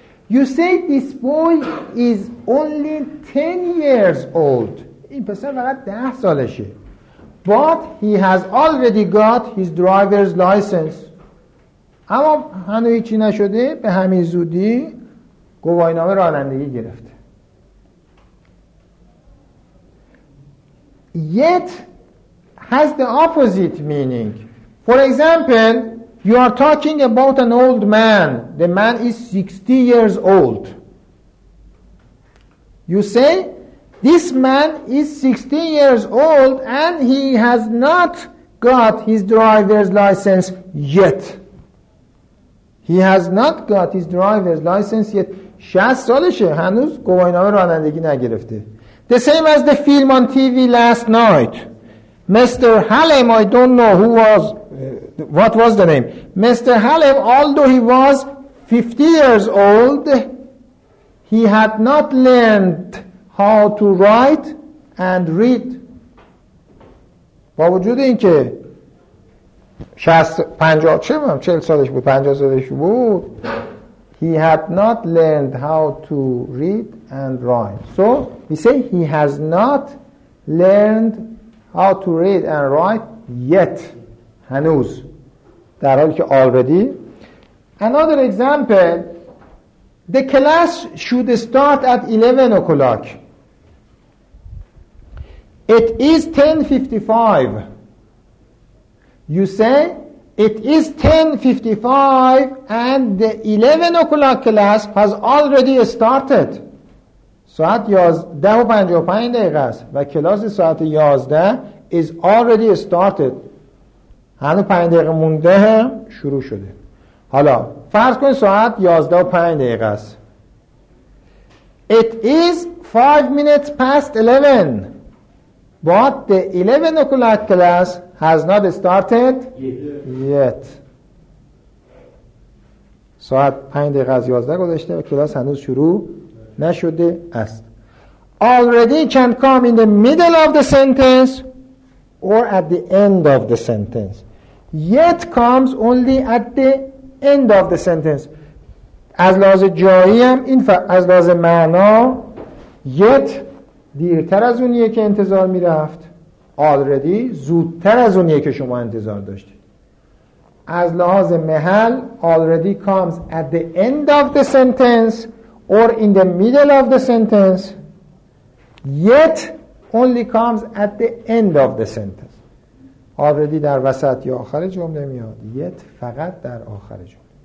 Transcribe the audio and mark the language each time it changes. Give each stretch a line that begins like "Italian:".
English: You say this boy is only 10 years old.
Persian: این پسر فقط 10 سالشه.
English: But he has already got his driver's license.
Persian: اما هنوز هیچی نشده، به همین زودی گواهینامه رانندگی گرفته.
English: Yet has the opposite meaning. For example, you are talking about an old man. The man is 60 years old. You say, this man is 60 years old and he has not got his driver's license yet. He has not got his driver's license yet.
Persian: 60 سالشه، هنوز گواهینامه رانندگی نگرفته.
English: The same as the film on TV last night. Mr. Halim, I don't know who was... What was the name? Mr. Halim, although he was 50 years old, he had not learned how to write and read.
Persian: با وجود این که 50 سالش بود.
English: He had not learned how to read and write. So, we say he has not learned how to read and write yet.
Persian: هنوز، در حالی که
English: already Another example, the class should start at 11 o'clock. It is 10:55. You say, it is 10:55 and the 11 o'clock class has already started.
Persian: ساعت 10:55 دقیقه است و کلاس ساعت 11
English: is already started.
Persian: هنو 5 دقیقه مونده هم شروع شده. حالا فرض کن ساعت 11:05 دقیقه است.
English: It is 5 minutes past 11. But the 11 o'clock class has not started yet.
Persian: ساعت 5 دقیقه از 11 گذشته و کلاس هنوز شروع نشده است.
English: Already can come in the middle of the sentence or at the end of the sentence. Yet comes only at the end of the sentence.
Persian: از لحاظ جایی هم این از لحاظ معنا yet دیرتر از اونیه که انتظار می رفت، already زودتر از اونیه که شما انتظار داشتید. از لحاظ محل
English: already comes at the end of the sentence or in the middle of the sentence, yet only comes at the end of the sentence.
Persian: Already در وسط یا آخر جمله میاد، yet فقط در آخر جمله.